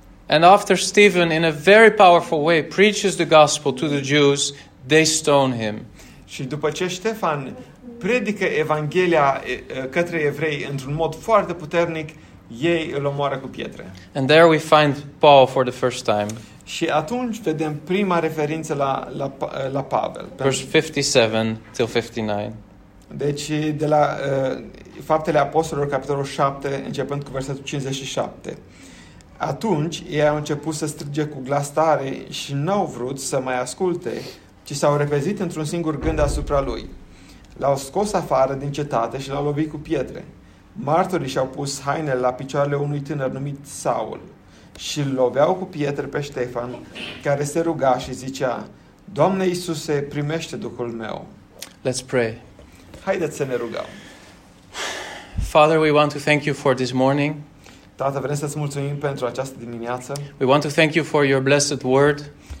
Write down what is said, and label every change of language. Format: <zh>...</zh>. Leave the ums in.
<en>And after Stephen in a very powerful way preaches the gospel to the Jews, they stone him.</en> <ro>Și după ce Ștefan predică evanghelia către evrei într-un mod foarte puternic, ei îl omoară cu pietre.</ro> <en>And there we find Paul for the first time.</en> <ro>Și atunci vedem prima referință la, la, la Pavel.</ro> <en>Verse 57 till 59.</en> <ro>Deci de la uh, Faptele Apostolilor, capitolul 7, începând cu versetul 57. Atunci ei au început să strige cu glas tare și n-au vrut să mai asculte, ci s-au repezit într-un singur gând asupra lui. L-au scos afară din cetate și l-au lovit cu pietre. Martorii și-au pus hainele la picioarele unui tânăr numit Saul și îl loveau cu pietre pe Ștefan, care se ruga și zicea, Doamne Iisuse, primește Duhul meu.</ro> <en>Let's pray.</en> <ro>Haideți să ne rugăm.</ro> <en>Father, we want to thank you for this morning.</en> <ro>Tată, vrem să-ți mulțumim pentru această dimineață.</ro> <en>We want to thank you for your blessed word.</en>